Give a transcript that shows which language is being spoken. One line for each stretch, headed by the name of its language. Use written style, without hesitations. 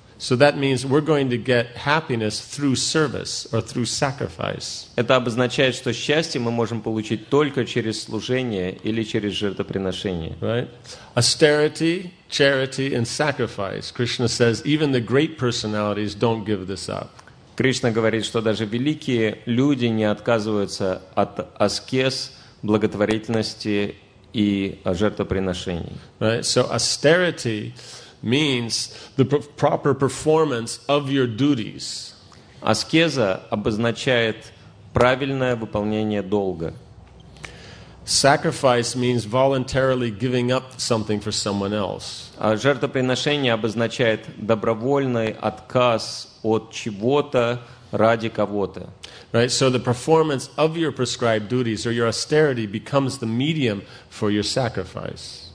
English: So that means we're going to get happiness through service or through sacrifice.
Russian: Это обозначает, что счастье мы можем получить только через служение или через жертвоприношение.
English: Right? Austerity, charity, and sacrifice. Krishna says even the great personalities don't give this up.
Russian: Кришна говорит, что даже великие люди не отказываются от аскез, благотворительности и жертвоприношений.
English: Right? So austerity means the proper performance of your duties.
Russian: Аскеза обозначает правильное выполнение долга.
English: Sacrifice means voluntarily giving up something for someone else.
Russian: А жертвоприношение обозначает добровольный отказ от чего-то ради кого-то.
English: Right, so the performance of your prescribed duties or your austerity becomes the medium for your sacrifice.